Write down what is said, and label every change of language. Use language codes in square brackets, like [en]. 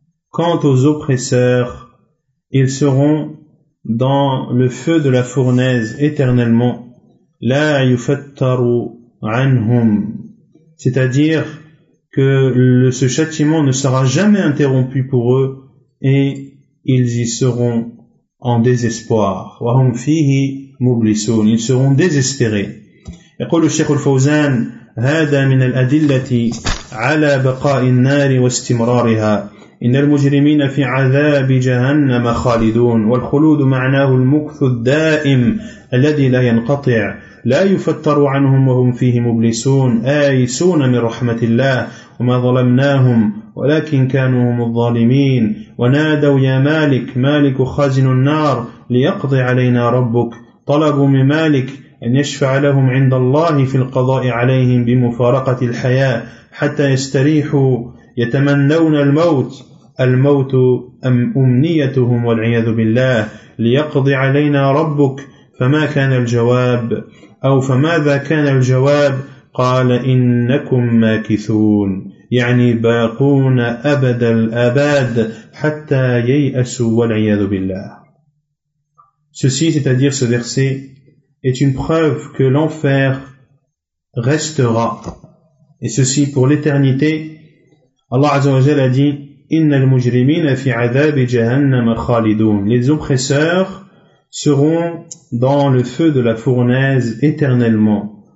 [fr] Quant aux oppresseurs, ils seront dans le feu de la fournaise éternellement. [ar] La yufattaru anhum. [fr] C'est-à-dire que ce châtiment ne sera jamais interrompu pour eux, et ils y seront en désespoir. [ar] Wa hum fihi mublisun. [fr] Ils seront désespérés. [ar] يقول الشيخ الفوزان هذا من الأدلة على بقاء النار واستمرارها إن المجرمين في عذاب جهنم خالدون والخلود معناه المكث الدائم الذي لا ينقطع لا يفتر عنهم وهم فيه مبلسون آيسون من رحمة الله وما ظلمناهم ولكن كانوا هم الظالمين ونادوا يا مالك مالك خازن النار ليقضي علينا ربك طلبوا من مالك أن يشفع لهم عند الله في القضاء عليهم بمفارقة الحياة حتى يستريحوا يتمنون الموت الموت أم أمنيتهم والعياذ بالله ليقضي علينا ربك فما كان الجواب أو فماذا كان الجواب قال إنكم ماكثون يعني باقون أبد الآباد حتى ييأسوا والعياذ بالله. [fr] Ceci, c'est-à-dire ce verset, est une preuve que l'enfer restera. Et ceci pour l'éternité. Allah Azza wa Jalla a dit « [ar] Inna al-mujrimina fi adhabi jahannam khalidun [fr] » Les oppresseurs seront dans le feu de la fournaise éternellement.